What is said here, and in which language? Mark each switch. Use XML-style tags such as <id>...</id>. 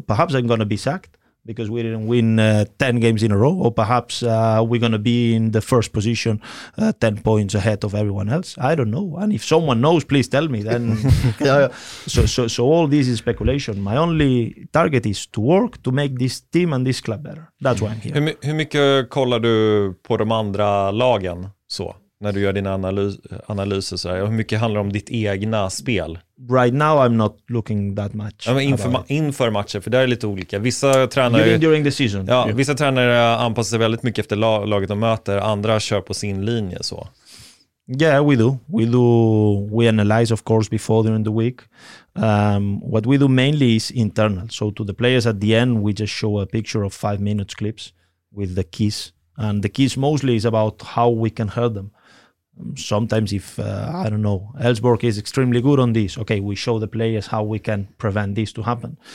<en>Perhaps I'm going to be sacked because we didn't win 10 games in a row. Or perhaps we're going to be in the first position 10 points ahead of everyone else. I don't know. And if someone knows, please tell me. Then So all this is speculation. My only target is to work to make this team and this club better. That's why I'm here.</en> <sv>Hur mycket kollar du på de andra lagen? Så? när du gör dina analyser så här, hur mycket handlar om ditt egna spel?</sv> <en>Right now I'm not looking that much.</en> <sv>Ja, inför matcher, för där är lite olika. Vissa tränare</sv> <en>during the season. Ja, yeah.</en> <sv>Vissa tränare anpassar sig väldigt mycket efter laget de möter, andra kör på sin linje så.</sv> <en>Yeah, we do. We analyze of course before during the week. What we do mainly is internal. So to the players at the end we just show a picture of 5 minutes clips with the keys. And the keys mostly is about how we can hurt them. Sometimes if, I don't know, Elfsborg is extremely good on this, okay, we show the players how we can prevent this to happen.</en>